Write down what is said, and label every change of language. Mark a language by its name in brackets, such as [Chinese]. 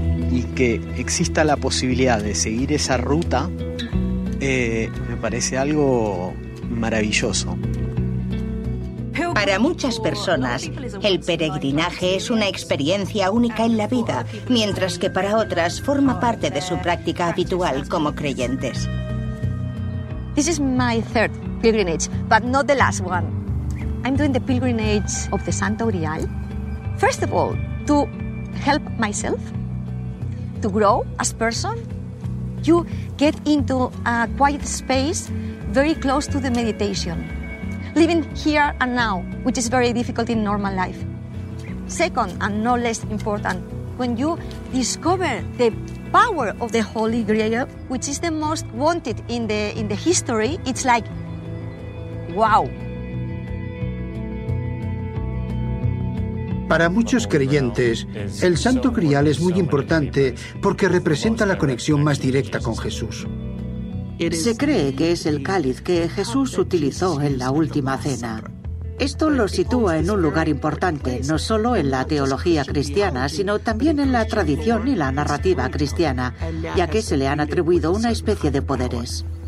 [Spanish] Y que exista la posibilidad de seguir esa ruta me parece algo maravilloso. Para muchas personas, el peregrinaje es una experiencia única en la vida, mientras que para otras forma parte de su práctica habitual como creyentes. [English] This is my third pilgrimage, but not the last one. I'm doing the pilgrimage of the Santo Grial. First of all, to help myself to grow as a person. You get into a quiet space very close to the meditation. Living here and now, which is very difficult in normal life. Second, and no less important, when you discover the power of the Holy Grail, which is the most wanted in the history, it's like, wow. [Spanish] Para muchos creyentes, el Santo Grial es muy importante porque representa la conexión más directa con Jesús. Se cree que es el cáliz que Jesús utilizó en la última cena. Esto lo sitúa en un lugar importante, no solo en la teología cristiana, sino también en la tradición y la narrativa cristiana, ya que se le han atribuido una especie de poderes.